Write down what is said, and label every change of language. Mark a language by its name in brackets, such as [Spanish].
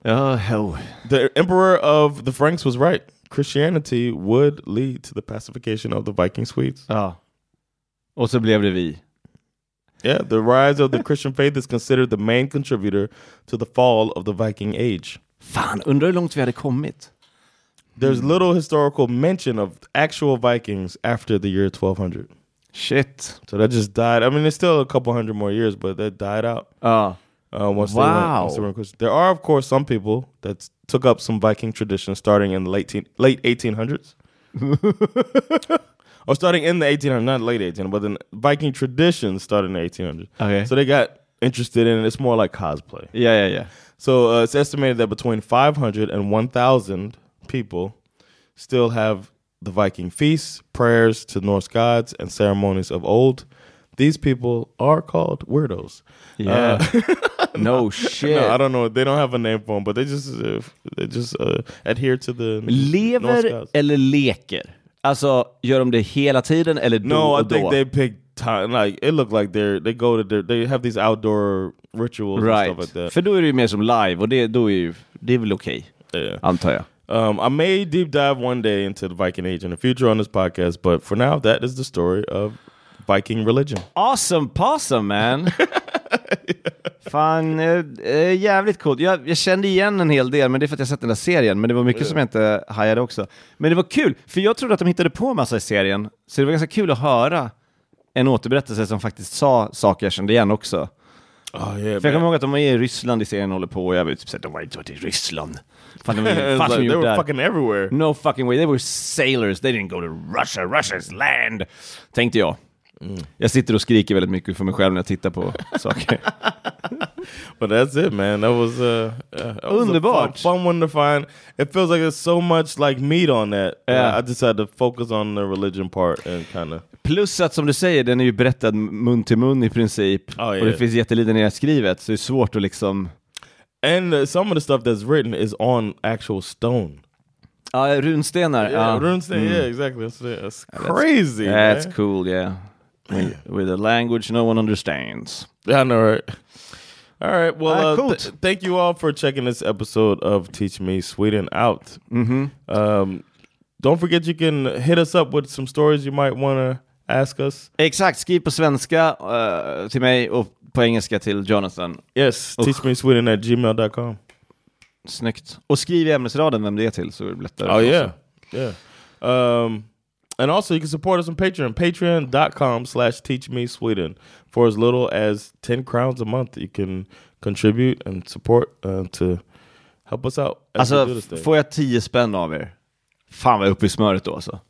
[English] Oh, hell. The emperor of the Franks was right. Christianity would lead to the pacification of the Viking Swedes. [Swedish] Ah. Och så blev det vi. [English] Yeah, the rise of the Christian faith is considered the main contributor to the fall of the Viking Age. [Swedish] Fan, undrar hur långt vi hade kommit. [English] There's little historical mention of actual Vikings after the year 1200. Shit. So that just died. I mean, it's still a couple hundred more years, but that died out. There are, of course, some people that took up some Viking traditions starting in the late 1800s. Or starting in the 1800s, not late 1800s, but then Viking traditions started in the 1800s. Okay. So they got interested in it. It's more like cosplay. Yeah, yeah, yeah. So it's estimated that between 500 and 1,000 people still have the Viking feasts, prayers to Norse gods, and ceremonies of old. These people are called weirdos. Yeah. No shit. No, I don't know. They don't have a name for them, but they just adhere to the [Swedish] lever [English] Norse gods. [Swedish] Eller leker. Alltså, gör de det hela tiden eller då? [English] No, [Swedish] och [English] I [Swedish] då? [English] Think they pick time. Like it looked like they go to they have these outdoor rituals, right? And stuff like that. [Swedish] För då är det ju mer som live och det är väl okej. [English] Yeah. [Swedish] Antar jag. [English] I may deep dive one day into the Viking Age in the future on this podcast, but for now that is the story of Viking religion. Awesome possum, man. Yeah. [Swedish] Fan, jävligt coolt. Jag kände igen en hel del, men det är för att jag sett den där serien. Men det var mycket som jag inte hajade också. Men det var kul, för jag trodde att de hittade på en massa i serien. Så det var ganska kul att höra en återberättelse som faktiskt sa saker jag kände igen också. [English] Oh, yeah, [Swedish] för jag kommer ihåg att de var i Ryssland i serien håller på. Och jag vet typ att de var inte i Ryssland. Fan, [English] they were fucking everywhere. No fucking way, they were sailors. They didn't go to Russia, Russia's land, [Swedish] tänkte jag. Mm. Jag sitter och skriker väldigt mycket för mig själv när jag tittar på saker. [English] But that's it, man. That was [Swedish] underbart. [English] Fun one to find. It feels like there's so much like meat on that. Yeah. I just had to focus on the religion part and kind of. [Swedish] Plus att som du säger, den är ju berättad mun till mun i princip. [English] Oh, yeah. [Swedish] Och det finns jättelite när jag skrivet, så det är svårt att liksom. [English] And some of the stuff that's written is on actual stone. [Swedish] Runstenar. [English] Yeah, runstenar. Mm. Yeah, exactly. That's crazy. That's cool. Yeah. With a language no one understands. Yeah, I know, right? All right, well, cool. Thank you all for checking this episode of Teach Me Sweden out. Mm-hmm. Don't forget you can hit us up with some stories you might want to ask us. [Swedish] Exakt, skriv på svenska till mig och på engelska till Jonathan. [English] Yes, teachmesweden@gmail.com. [Swedish] Snyggt. Och skriv i ämnesraden vem det är till, så det blir lättare. [English] Oh också. Yeah, yeah. And also you can support us on Patreon. Patreon.com/teachmesweden. For as little as 10 crowns a month you can contribute and support to help us out. [Swedish] Alltså, får jag 10 spänn av er? Fan vad jag är uppe i smöret då alltså.